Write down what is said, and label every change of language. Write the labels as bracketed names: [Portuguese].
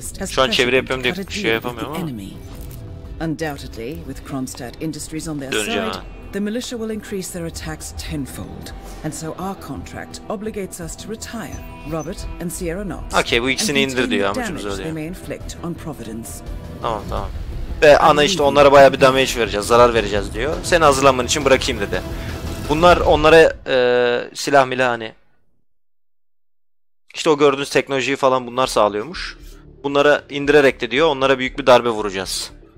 [Turkish] Şu an çeviri yapıyorum diye şey yapamıyorum ama. [English] Undoubtedly with Kronstadt Industries on their side. The militia will increase their attacks tenfold, and so our contract obligates us to retire Robert and Sierra Knox. [Turkish] Okay, bu ikisini indir diyor amcımız öyle. [English] They may inflict on Providence. [Turkish] Tamam, tamam. Ve ana işte onlara bayağı bir damage vereceğiz, zarar vereceğiz diyor. Seni hazırlaman için bırakayım dedi. Bunlar onlara silah milah hani. İşte o gördüğünüz teknolojiyi falan bunlar sağlıyormuş. Bunlara indirerek de diyor, onlara büyük bir darbe vuracağız.